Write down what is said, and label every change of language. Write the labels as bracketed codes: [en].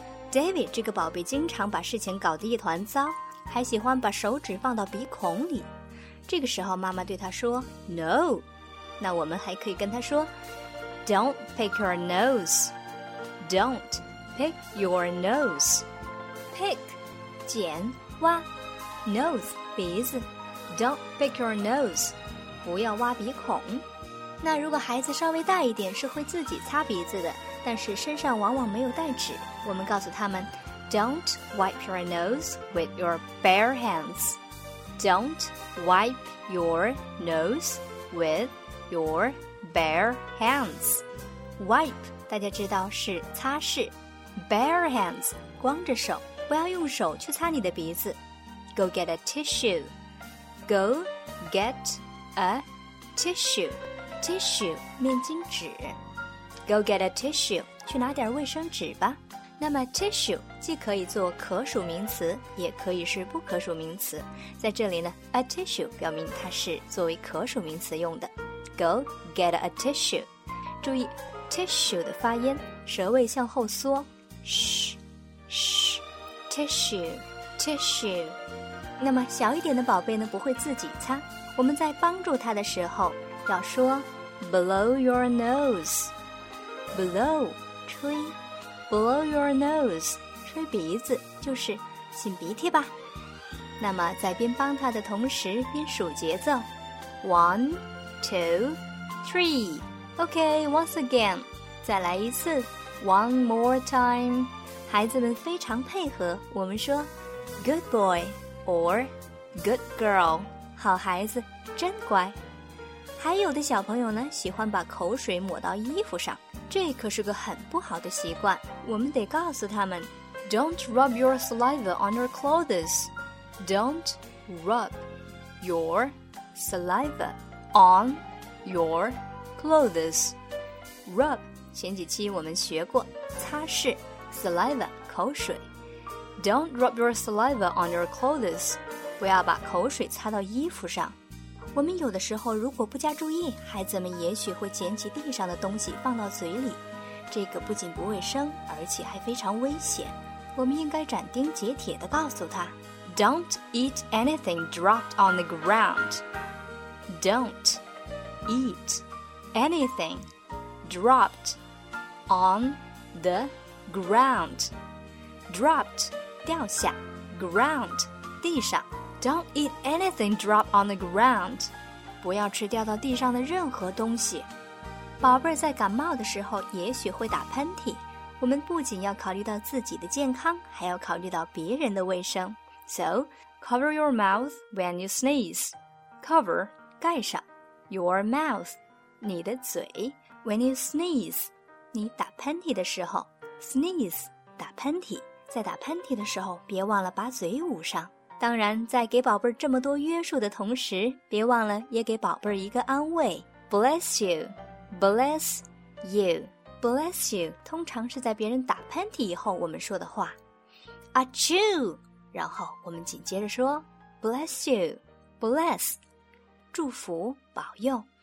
[zh] David 这个宝贝经常把事情搞得一团糟，还喜欢把手指放到鼻孔里。这个时候妈妈对他说 No， 那我们还可以跟他说 [en] Don't pick your nose， [zh] Don't pick your nose。 Pick 剪挖， Nose 鼻子， [en] Don't pick your nose， [zh] 不要挖鼻孔。那如果孩子稍微大一点，是会自己擦鼻子的，但是身上往往没有带纸，我们告诉他们 [en] Don't wipe your nose with your bare hands， [zh] Don't wipe your nose with your bare hands。 Wipe 大家知道是擦拭， Bare hands 光着手，不要用手去擦你的鼻子。 [en] Go get a tissueGo get a tissue， tissue 面巾纸。 [zh] Go get a tissue， 去拿点卫生纸吧。那么 tissue 既可以做可数名词，也可以是不可数名词。在这里呢， a tissue 表明它是作为可数名词用的。 [en] Go get a tissue， [zh] 注意 tissue 的发音，舌位向后缩， sh sh， tissue tissue。那么小一点的宝贝呢，不会自己擦，我们在帮助他的时候要说 [en] blow your nose， [zh] blow 吹， blow your nose 吹鼻子，就是擤鼻涕吧。那么在边帮他的同时边数节奏， 1 2 3， OK， [en] once again， [zh] 再来一次， [en] one more time。 [zh] 孩子们非常配合，我们说 [en] good boyOr good girl， [zh] 好孩子，真乖。还有的小朋友呢，喜欢把口水抹到衣服上，这可是个很不好的习惯。我们得告诉他们 [en] ，Don't rub your saliva on your clothes. Don't rub your saliva on your clothes. [zh] Rub， 前几期我们学过，擦拭 ，saliva， 口水。 [en] Don't rub your saliva on your clothes. [zh] 不要把口水擦到衣服上。我们有的时候如果不加注意，孩子们也许会捡起地上的东西放到嘴里，这个不仅不卫生，而且还非常危险。我们应该斩钉截铁地告诉他 [en] Don't eat anything dropped on the ground. Don't eat anything dropped on the ground. [zh] Dropped 掉下， ground 地上。 [en] Don't eat anything dropped on the ground， [zh] 不要吃掉到地上的任何东西。宝贝在感冒的时候也许会打喷嚏，我们不仅要考虑到自己的健康，还要考虑到别人的卫生。 [en] So cover your mouth when you sneeze. [zh] Cover 盖上， your mouth 你的嘴， [en] when you sneeze [zh] 你打喷嚏的时候， sneeze打喷嚏，在打喷嚏的时候别忘了把嘴捂上。当然在给宝贝儿这么多约束的同时，别忘了也给宝贝儿一个安慰， [en] Bless you， Bless you， Bless you [zh] 通常是在别人打喷嚏以后我们说的话， Achoo， 然后我们紧接着说 Bless you， Bless， 祝福保佑。